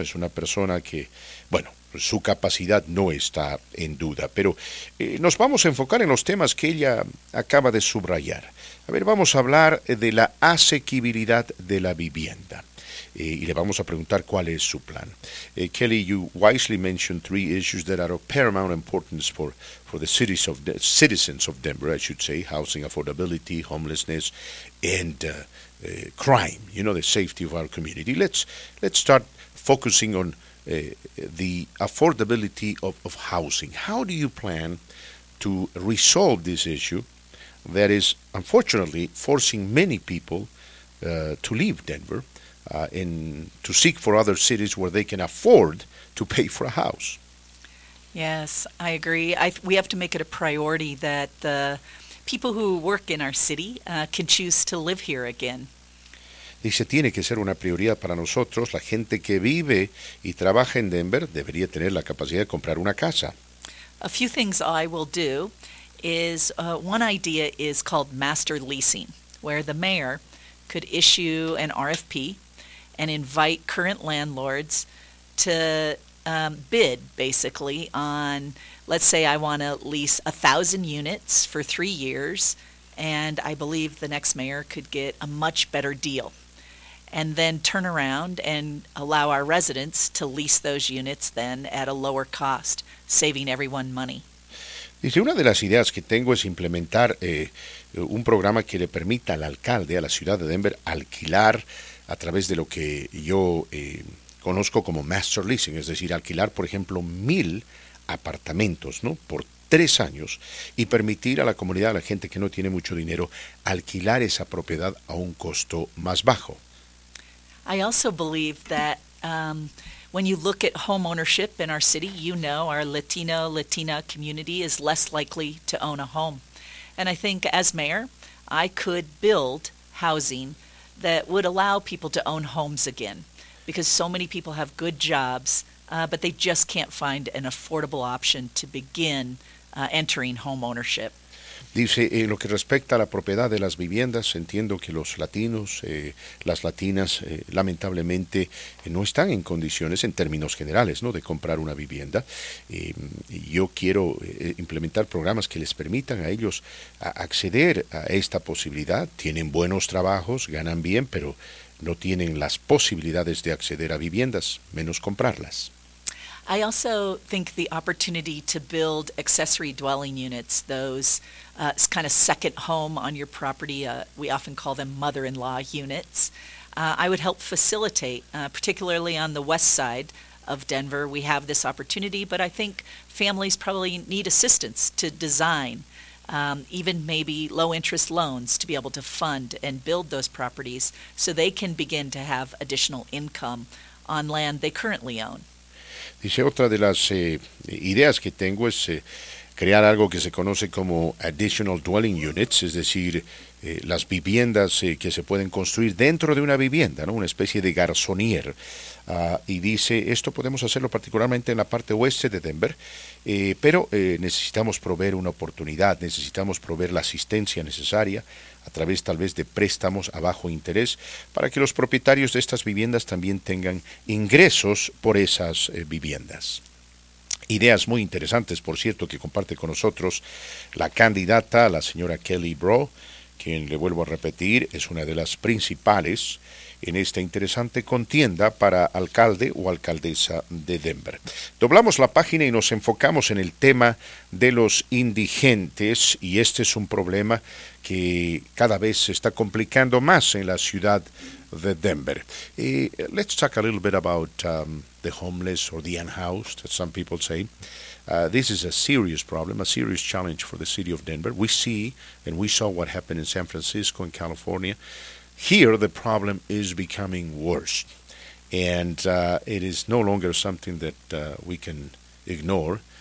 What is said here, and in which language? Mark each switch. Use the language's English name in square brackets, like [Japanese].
[Spanish] Es una persona que, bueno, su capacidad no está en duda. Pero nos vamos a enfocar en los temas que ella acaba de subrayar. A ver, vamos a hablar de la asequibilidad de la vivienda. Y le vamos a preguntar cuál es su plan. [English] Kelly, you wisely mentioned three issues that are of paramount importance for the cities of the citizens of Denver, I should say, housing affordability, homelessness, and crime, you know, the safety of our community. Let's start focusing on the affordability of housing. How do you plan to resolve this issue that is unfortunately forcing many people to leave Denver and to seek for other cities where they can afford to pay for a house? Yes, I agree. We have to make it a priority that the people who work in our city can choose to live here again. [Spanish] Dice, tiene que ser una prioridad para nosotros. La gente que vive y trabaja en Denver debería tener la capacidad de comprar una casa. [English] A few things I will do is, one idea is called master leasing, where the mayor could issue an RFP and invite current landlords to bid, basically, on, let's say I want to lease 1,000 units for 3 years, and I believe the next mayor could get a much better deal. And then turn around and allow our residents to lease those units then at a lower cost, saving everyone money. [Spanish] Dice, una de las ideas que tengo es implementar un programa que le permita al alcalde, a la ciudad de Denver, alquilar a través de lo que yo conozco como master leasing, es decir, alquilar, por ejemplo, 1,000 apartamentos, ¿no?, por 3 años, y permitir a la comunidad, a la gente que no tiene mucho dinero, alquilar esa propiedad a un costo más bajo. [English] I also believe that when you look at home ownership in our city, you know our Latina community is less likely to own a home. And I think as mayor, I could build housing that would allow people to own homes again, because so many people have good jobs, but they just can't find an affordable option to begin entering home ownership. [Spanish] Dice, en lo que respecta a la propiedad de las viviendas, entiendo que los latinos, las latinas, lamentablemente, no están en condiciones, en términos generales, ¿no?, de comprar una vivienda. Yo quiero implementar programas que les permitan a ellos acceder a esta posibilidad. Tienen buenos trabajos, ganan bien, pero no tienen las posibilidades de acceder a viviendas, menos comprarlas. [English] I also think the opportunity to build accessory dwelling units, those kind of second home on your property, we often call them mother-in-law units, I would help facilitate, particularly on the west side of Denver. We have this opportunity, but I think families probably need assistance to design, even maybe low-interest loans to be able to fund and build those properties so they can begin to have additional income on land they currently own. [Spanish] Dice, otra de las ideas que tengo es crear algo que se conoce como [English] additional dwelling units, [Spanish] es decir, las viviendas que se pueden construir dentro de una vivienda, ¿no? Una especie de garçonnier. Y dice, esto podemos hacerlo particularmente en la parte oeste de Denver, pero necesitamos proveer una oportunidad, necesitamos proveer la asistencia necesaria a través tal vez de préstamos a bajo interés para que los propietarios de estas viviendas también tengan ingresos por esas viviendas. Ideas muy interesantes, por cierto, que comparte con nosotros la candidata, la señora Kelly Brough, quien, le vuelvo a repetir, es una de las principales en esta interesante contienda para alcalde o alcaldesa de Denver. Doblamos la página y nos enfocamos en el tema de los indigentes, y este es un problema que cada vez se está complicando más en la ciudad de Denver. [English] Let's talk a little bit about the homeless or the unhoused, as some people say. This is a serious problem, a serious challenge for the city of Denver. We see and we saw what happened in San Francisco and California. Here, the problem is becoming worse, and it is no longer something that we can ignore.